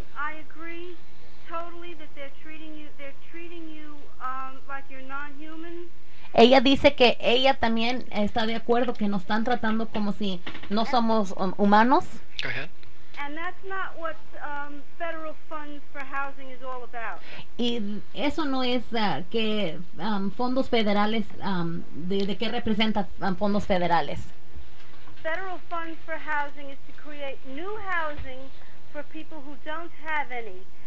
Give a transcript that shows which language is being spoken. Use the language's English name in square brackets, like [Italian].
[English] I agree totally that they're treating you like you're non-human. [Spanish] Ella dice que ella también está de acuerdo que nos están tratando como si no somos humanos. [English] Go ahead. And that's not what federal funds for housing is all about. [Spanish] Y eso no es que fondos federales de qué representa fondos federales. [English] Federal funds for housing is to create new housing for people who don't have any.